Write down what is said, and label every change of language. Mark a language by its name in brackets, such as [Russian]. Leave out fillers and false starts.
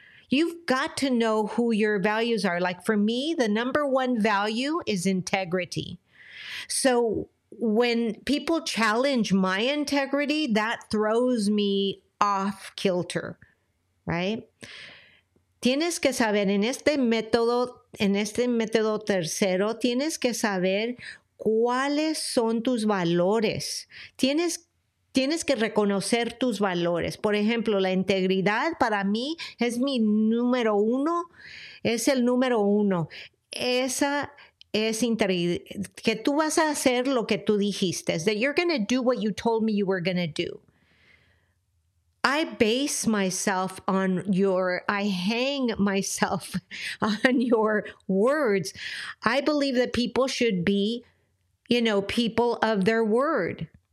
[English] You've got to know who your values are. Like for me, the number one value is integrity. So when people challenge my integrity, that throws me off kilter, right? [Spanish] Tienes que saber en este método tercero, tienes que saber cuáles son tus valores. Tienes que reconocer tus valores. Por ejemplo, la integridad para mí es mi número uno, es el número uno. Esa es que tú vas a hacer lo que tú dijiste. [English] That you're going to do what you told me you were going to do. I hang myself on your words. I believe that people should be, you know, people of their word.